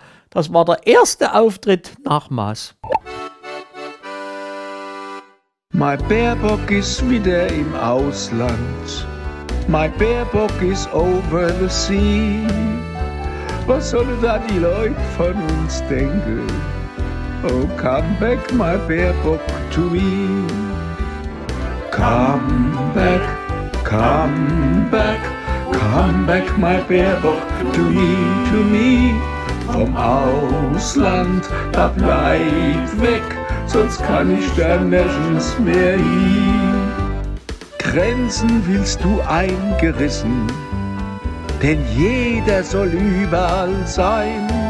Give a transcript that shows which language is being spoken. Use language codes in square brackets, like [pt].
[de] Das war der erste Auftritt nach Maß. Mein Baerbock ist wieder im Ausland. Mein Baerbock ist [en] over the sea. [de] Was sollen da die Leute von uns denken? [en] Oh, come back, my Baerbock, to me. Come back, come back, my Baerbock, to me. [de] Vom Ausland, da bleib weg. Sonst kann ich da nirgends mehr hin. Grenzen willst du eingerissen, denn jeder soll überall sein.